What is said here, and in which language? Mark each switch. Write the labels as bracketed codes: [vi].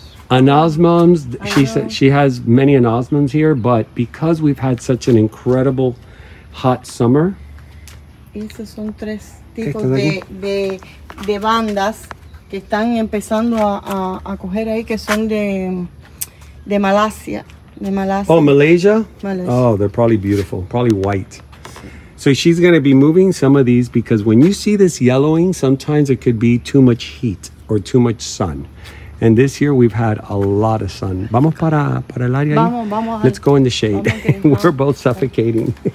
[en] anosmums. She said she has many anosmums here, but because we've had such an incredible hot summer. [es] Estos son tres tipos de bandas que están empezando a coger ahí que son de Malasia. [en] Oh, Malaysia? Oh, they're probably beautiful. Probably white. So she's going to be moving some of these because when you see this yellowing, sometimes it could be too much heat or too much sun. And this year we've had a lot of sun. [es] Vamos para el área. [en] Let's go in the shade. [es] Vamos, [en] we're both suffocating.